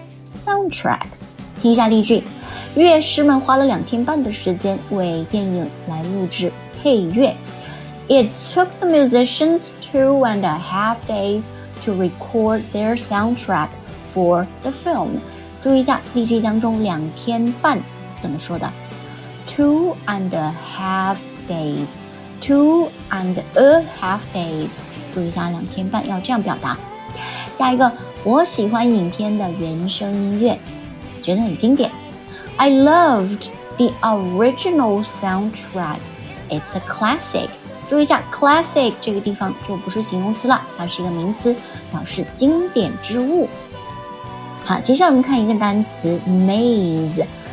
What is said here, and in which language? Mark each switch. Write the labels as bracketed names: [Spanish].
[Chinese] soundtrack， 听一下例句：乐师们花了两天半的时间为电影来录制配乐。 [English] It took the musicians 2.5 days to record their soundtrack for the film。 [Chinese] 注意一下例句当中两天半怎么说的。 [English] Two and a half days. [Chinese] 注意一下两天半要这样表达。下一个，我喜欢影片的原声音乐，觉得很经典。 [English] I loved the original soundtrack. It's a classic. [Chinese] 注意一下 classic 这个地方就不是形容词了，它是一个名词，表示经典之物。好，接下来我们看一个单词 maze.